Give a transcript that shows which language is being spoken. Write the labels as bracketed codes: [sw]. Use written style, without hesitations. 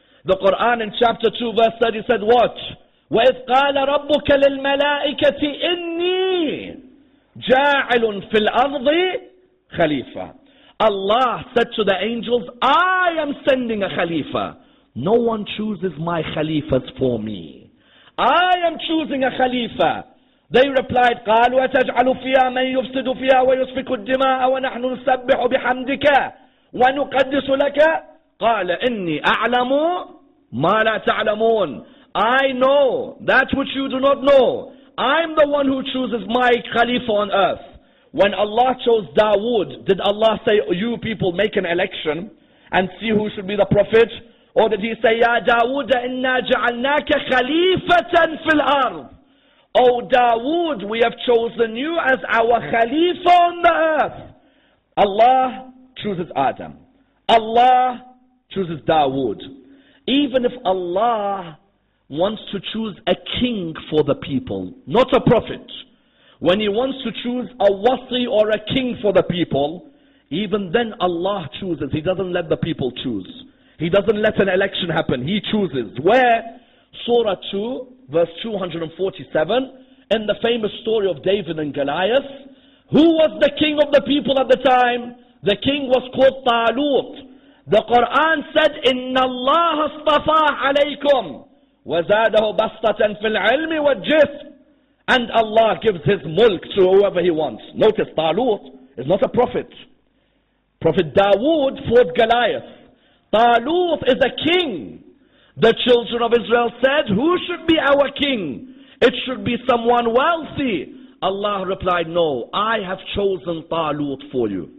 [en] The Quran in chapter 2 verse 30 said what? [ar] وَإِذْ قَالَ رَبُّكَ لِلْمَلَائِكَةِ إِنِّي جَاعِلٌ فِي الْأَرْضِ خَلِيفَةً [en] Allah said to the angels, I am sending a Khalifa. No one chooses my Khalifas for me. I am choosing a Khalifa. They replied, [ar] قَالُ وَتَجْعَلُ فِيهَا مَنْ يُفْسِدُ فِيهَا وَيُسْفِكُ الدِّمَاءَ وَنَحْنُ نُسَبِّحُ بِحَمْدِكَ وَنُقَدِّسُ لَكَ قَالَ إِنِّي أَعْلَمُ مَا لَا تَعْلَمُونَ [en] I know that which you do not know. I'm the one who chooses my Khalifa on earth. When Allah chose Dawood, did Allah say, you people make an election and see who should be the Prophet? Or did he say, [ar] يَا دَاوُودَ إِنَّا جَعَلْنَاكَ خَلِيفَةً فِي الْأَرْضِ [en] O Dawood, we have chosen you as our Khalifa on the earth. Allah chooses Adam. Allah chooses Dawood. Even if Allah wants to choose a king for the people, not a prophet, when he wants to choose a wasi or a king for the people, even then Allah chooses. He doesn't let the people choose. He doesn't let an election happen. He chooses. Where? Surah 2, verse 247, in the famous story of David and Goliath, who was the king of the people at the time? The king was called Talut. The Quran said, [ar] إِنَّ اللَّهَ اصْطَفَاهُ عَلَيْكُمْ وَزَادَهُ بَسْطَةً فِي الْعِلْمِ وَالْجِسْمِ [en] And Allah gives his mulk to whoever he wants. Notice, Talut is not a prophet. Prophet Dawood fought Goliath. Talut is a king. The children of Israel said, who should be our king? It should be someone wealthy. Allah replied, no, I have chosen Talut for you.